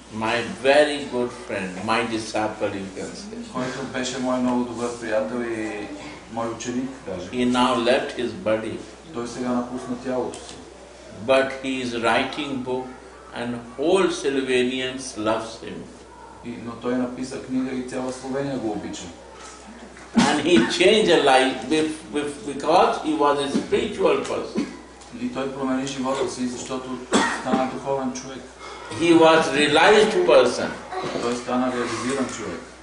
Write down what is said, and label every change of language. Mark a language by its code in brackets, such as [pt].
[en] My very good friend, my disciple, you can say. [bg] Който беше мой много добър приятел и мой ученик даже. [en] He now left his body. [bg] Той сега напусна тялото си. [en] But he is writing book and whole Slovenians loves him. [bg] Но той написа книга и цяла Словения го обича. [en] And he changed life because he was a spiritual person. [bg] И той промени живота си, защото стана духовен човек. [en] He was realized person. [bg] Той стана реализиран човек.